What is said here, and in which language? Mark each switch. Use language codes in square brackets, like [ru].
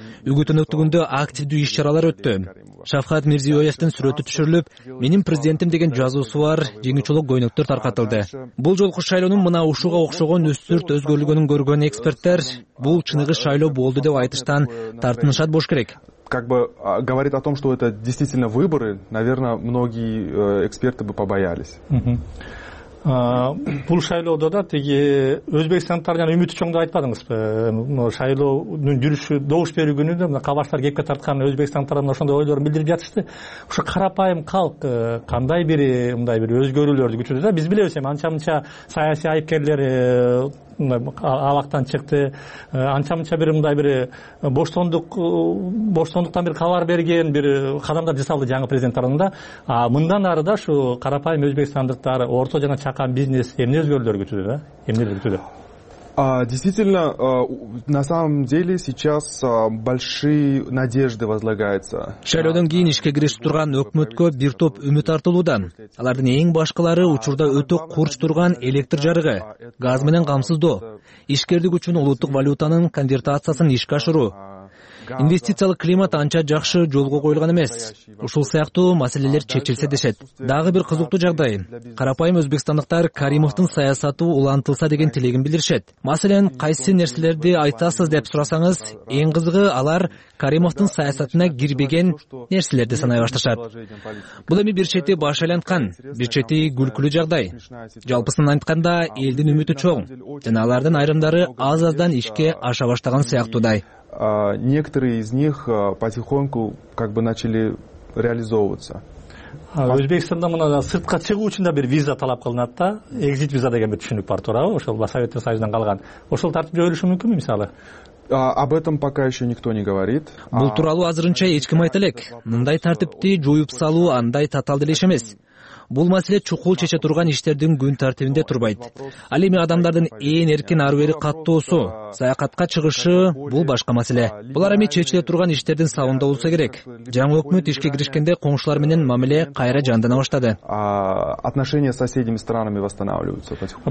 [ky] Үгүт өнөктүгүндө активдүү иш чаралар өттү. Шавкат Мирзиёевдин сүрөтү түшүрүлүп, менин президентим деген жазуусу бар жеңүүчүлүк көйнөктөр таркатылды. Бул жолку шайлоонун мына ушуга окшогон үстүрт өзгөрүлгөнүн көргөн эксперттер бул чыныгы шайлоо болду деп айтыштан тартынышат болуш керек. [ru] Как бы говорит о том, что это действительно выборы, наверное, многие эксперты бы побоялись. [ky] Бул шайлоодо да тиги өзбекстандыктар жана үмүтү чоң деп айтпадыңызбы? Шайлоонун жүрүшү, добуш берүү күнү да мына кабаштар кепке тарткан өзбекстандыктар мына ошондой ойлорун билдирип жатышты. Ушу карапайым калк кандай бир мындай бир өзгөрүүлөрдү күтүүдө да, биз билебиз эми анча мынча саясий айыпкерлер абактан чыкты, анча мынча бир мындай бир боштондуктан бир кабар берген бир кадамдар жасалды жаңы президенттердин да. А мындан ары да ушу карапайым өзбекстандыктар, орто жана чакан бизнес эмне өзгөрүүлөр күтүүдө да, эмнелер күтүүдө? [ru] Действительно, на самом деле сейчас большие надежды возлагаются. [ky] Шайлоодон кийин ишке киришип турган өкмөткө бир топ үмүт артылууда. Алардын эң башкалары учурда өтө курч турган электр жарыгы, газ менен камсыздоо, ишкердик үчүн улуттук валютанын конвертациясын ишке ашыруу. Инвестициялык климат анча жакшы жолго коюлган эмес. Ушул сыяктуу маселелер чечилсе дешет. Дагы бир кызыктуу жагдай. Карапайым өзбекстандыктар Каримовдун саясаты улантылса деген тилегин билдиришет. Маселен, кайсы нерселерди айтасыз деп сурасаңыз, эң кызыгы алар Каримовдун саясатына кирбеген нерселерди санай башташат. Бул эми бир чети баш айланткан, бир чети күлкүлүү жагдай. Жалпысынан айтканда, элдин үмүтү чоң жана алардын айрымдары аз-аздан ишке аша баштаган сыяктуудай. [ru] Некоторые из них потихоньку как бы начали реализовываться. [ky] Өзбекстанда мына сыртка чыгуу үчүн да бир виза талап кылынат да, экзит виза деген бир түшүнүк бар, туурабы? Ошол Советтер Союзунан калган. Ошол тартип жоюлушу мүмкүнбү мисалы? [ru] Об этом пока еще никто не говорит. [ky] Бул тууралуу азырынча эч ким айта элек. Мындай тартипти жоюп салуу андай татаал деле иш эмес. Бул маселе чукул чече турган иштердин күн тартибинде турбайт. Ал эми адамдардын эң эркин ары бери каттоосу, саякатка чыгышы бул башка маселе. Булар эми чечиле турган иштердин сабында болсо керек. Жаңы өкмөт ишке киришкенде коңшулар менен мамиле кайра жандана баштады. [ru] Отношения с соседними странами восстанавливаются потихоньку.